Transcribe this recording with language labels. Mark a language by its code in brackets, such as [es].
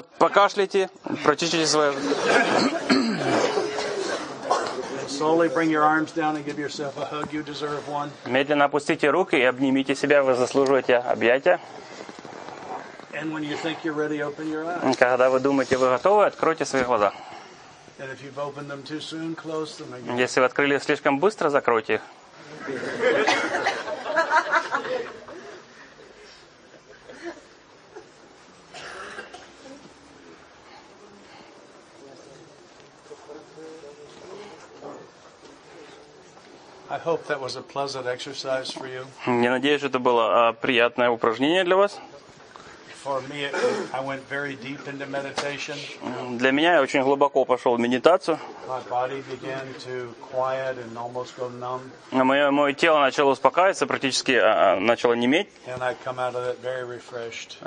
[ru] Покашляйте, прочистите свое. [en] Slowly bring your arms down and give yourself a hug. You deserve one. [ru] Медленно опустите руки и обнимите себя. Вы заслуживаете объятия. [en] And when you think you're ready, open your eyes. [ru] Когда вы думаете, вы готовы, откройте свои глаза. [en] And if you've opened them too soon, close them again. [ru] Если вы открыли слишком быстро, закройте их. [en] I hope that was a pleasant exercise for you. [ru] Я надеюсь, это было приятное упражнение для вас. [en] For me, I went very deep into meditation. [ru] Для меня я очень глубоко пошел в медитацию. [en] My body began to quiet and almost go numb. [ru] Мое тело начало успокаиваться, практически начало неметь. [en] And I come out of it very refreshed.